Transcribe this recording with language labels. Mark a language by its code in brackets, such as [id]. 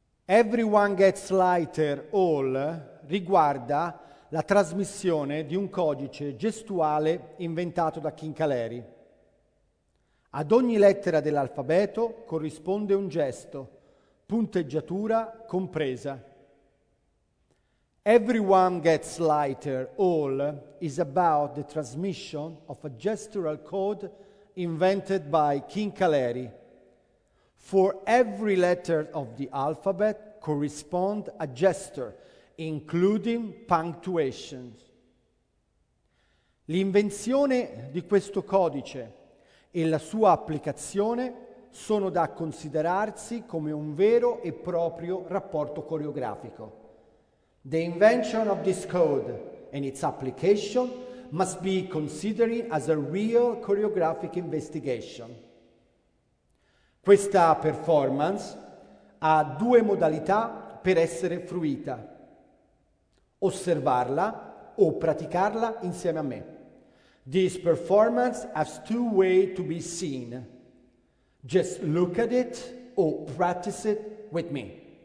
[it] Everyone Gets Lighter All riguarda la trasmissione di un codice gestuale inventato da King Caleri. Ad ogni lettera dell'alfabeto corrisponde un gesto, punteggiatura compresa. [en] Everyone Gets Lighter All is about the transmission of a gestural code invented by King Caleri. For every letter of the alphabet correspond a gesture, including punctuation. [it] L'invenzione di questo codice e la sua applicazione sono da considerarsi come un vero e proprio rapporto coreografico. [en] The invention of this code and its application must be considered as a real choreographic investigation. [it] Questa performance ha due modalità per essere fruita: osservarla o praticarla insieme a me. [en] This performance has two ways to be seen: just look at it or practice it with me.